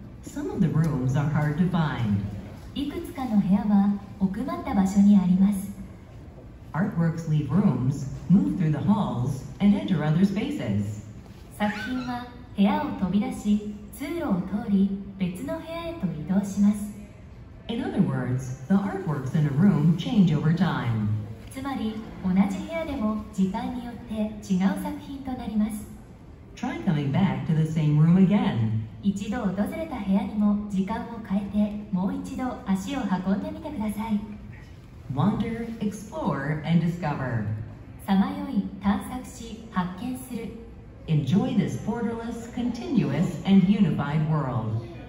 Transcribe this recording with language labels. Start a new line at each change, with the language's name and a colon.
English: Some of the rooms are hard to find.
Japanese: いくつかの部屋は奥まった場所にあります。
English: Artworks leave rooms, move through the halls, and enter other spaces.
Japanese: 作品は部屋を飛び出し、通路を通り、別の部屋へと移動します。
English: In other words, the artworks in a room change over time.
Japanese: つまり、同じ部屋でも時間によって違う作品となります。
English: Try coming back to the same room again.
Japanese: 一度訪れた部屋にも時間を変えて、もう一度足を運んでみてください。
English: Wander, explore, and discover.
Japanese: さまよい、探索し、発見する。
English: Enjoy this borderless, continuous, and unified world.